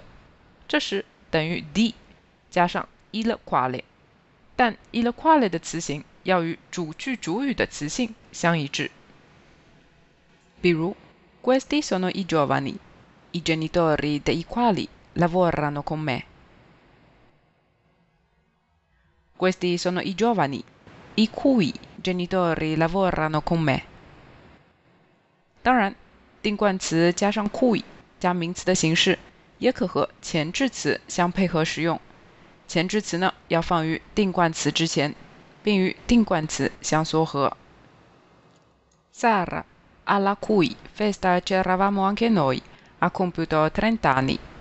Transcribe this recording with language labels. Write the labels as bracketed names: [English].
[Chinese] 表示属于某人的某物的，这时等于 di 加上 il quale，但 il quale 的词性要与主句主语的词性相一致。比如 [Italian] Questi sono i giovani, i genitori dei quali lavorano con me. Questi sono i giovani, i cui genitori lavorano con me. [Chinese] 当然，定冠词加上 cui 加名词的形式也可和前置词相配合使用。前置词呢要放于定冠词之前，并与定冠词相缩合。Sara, [Italian] alla cui festa c'eravamo anche noi, ha compiuto 30 anni.